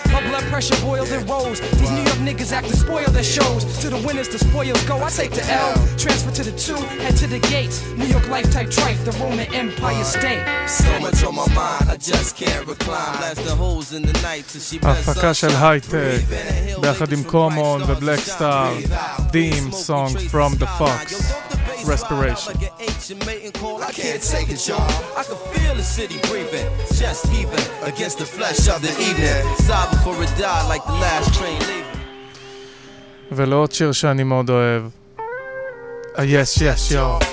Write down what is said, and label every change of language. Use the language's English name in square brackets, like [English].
[English] My blood pressure boiled and rose. These New York niggas act to spoil their shows. To the winners, the spoils go. I take the L, transfer to the 2, head to the gates. New York life type trife, the Roman Empire State. So much on my mind, I just can't recline. Blast the holes in the night till she blessed up. [Hebrew] הפקה של הייטק ביחד עם קומון ובלק סטאר. [English] Theme song from the Fox, Respiration. I can't take it, y'all. I can feel the city breathing, chest heaving against the flesh of the evening. Sigh before it died like the last train leaving. Yes, yes, y'all.